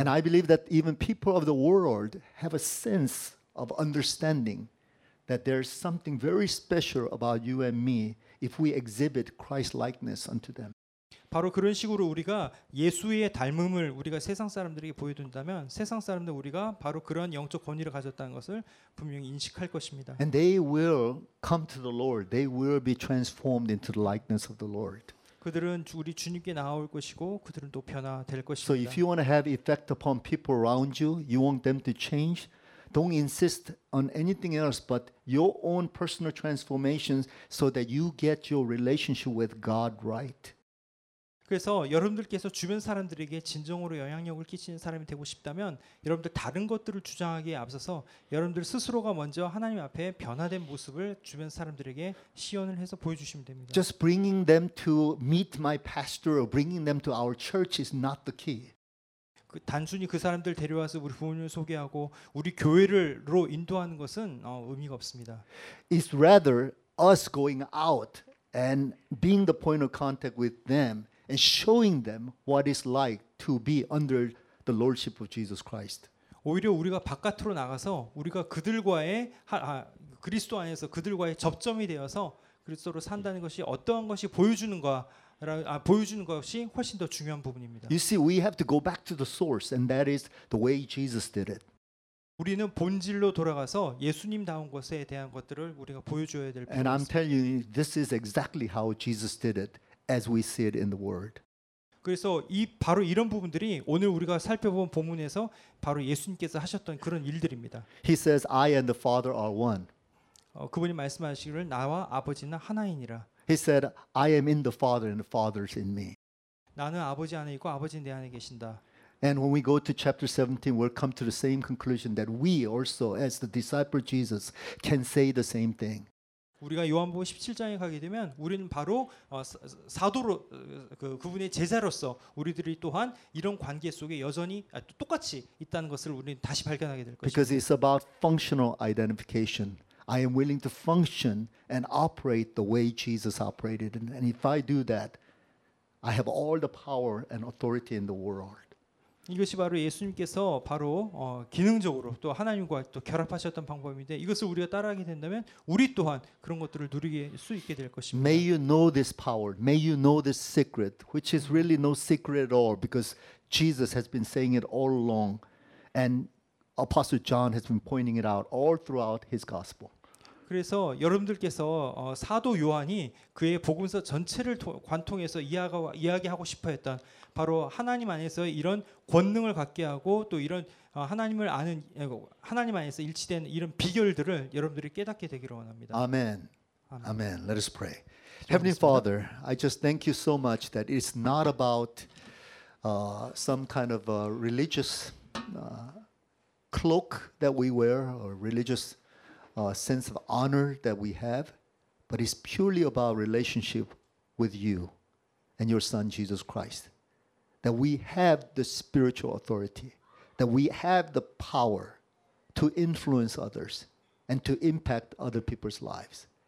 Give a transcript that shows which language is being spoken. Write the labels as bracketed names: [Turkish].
[English] And I believe that even people of the world have a sense of understanding that there's something very special about you and me if we exhibit Christ likeness unto them. [Korean] 바로 그런 식으로 우리가 예수의 닮음을 우리가 세상 사람들에게 보여준다면 세상 사람들 우리가 바로 그런 영적 권위를 가졌다는 것을 분명히 인식할 것입니다. [English] And they will come to the Lord. They will be transformed into the likeness of the Lord. [Korean] 그들은 우리 주님께 나아올 것이고 그들은 또 변화될 것입니다. [English] So if you want to have effect upon people around you, you want them to change. Don't insist on anything else but your own personal transformations so that you get your relationship with God right. [Korean] 그래서 여러분들께서 주변 사람들에게 진정으로 영향력을 끼치는 사람이 되고 싶다면 여러분들 다른 것들을 주장하기에 앞서서 여러분들 스스로가 먼저 하나님 앞에 변화된 모습을 주변 사람들에게 시연을 해서 보여주시면 됩니다. [English] Just bringing them to meet my pastor or bringing them to our church is not the key. [Korean] 그 단순히 그 사람들 데려와서 우리 부모님을 소개하고 우리 교회로 인도하는 것은 의미가 없습니다. [English] It's rather us going out and being the point of contact with them and showing them what it's like to be under the lordship of Jesus Christ. [Korean] 오히려 우리가 바깥으로 나가서 우리가 그들과의 그리스도 안에서 그들과의 접점이 되어서 그리스도로 산다는 것이 어떠한 것이 보여주는 것이 훨씬 더 중요한 부분입니다. [English] You see, we have to go back to the source, and that is the way Jesus did it. [Korean] 우리는 본질로 돌아가서 예수님다운 것에 대한 것들을 우리가 보여줘야 될 필요가 있습니다. [English] And I'm telling you, this is exactly how Jesus did it. As we see it in the word. [Korean] 그래서 이 바로 이런 부분들이 오늘 우리가 살펴본 본문에서 바로 예수님께서 하셨던 그런 일들입니다. [English] He says, "I and the Father are one." [Korean] 그분이 말씀하시기를 나와 아버지는 하나이니라. [English] He said, "I am in the Father, and the Father is in me." [Korean] 나는 아버지 안에 있고 아버지는 내 안에 계신다. [English] And when we go to chapter 17, we'll come to the same conclusion that we also, as the disciple Jesus, can say the same thing. [Korean] 우리가 요한복음 17장에 가게 되면 우리는 바로 사도로 그분의 제자로서 우리들이 또한 이런 관계 속에 여전히 똑같이 있다는 것을 우리는 다시 발견하게 될 것입니다. [English] Because it's about functional identification. I am willing to function and operate the way Jesus operated and if I do that I have all the power and authority in the world. [Korean] 이것이 바로 예수님께서 바로 기능적으로 또 하나님과 또 결합하셨던 방법인데 이것을 우리가 따라하게 된다면 우리 또한 그런 것들을 누리게 수 있게 될 것입니다. [English] May you know this power. May you know this secret, which is really no secret at all, because Jesus has been saying it all along, and Apostle John has been pointing it out all throughout his gospel. [Korean] 그래서 여러분들께서 사도 요한이 그의 복음서 전체를 관통해서 이야기하고 싶어했던 바로 하나님 안에서 이런 권능을 갖게 하고 또 이런 하나님을 아는 하나님 안에서 일치된 이런 비결들을 여러분들이 깨닫게 되기를 원합니다. [English] Amen. Amen. Amen. Let us pray. Heavenly Father, I just thank you so much that it's not about some kind of a religious cloak that we wear or religious sense of honor that we have, but it's purely about relationship with you and your son Jesus Christ, that we have the spiritual authority, that we have the power to influence others and to impact other people's lives.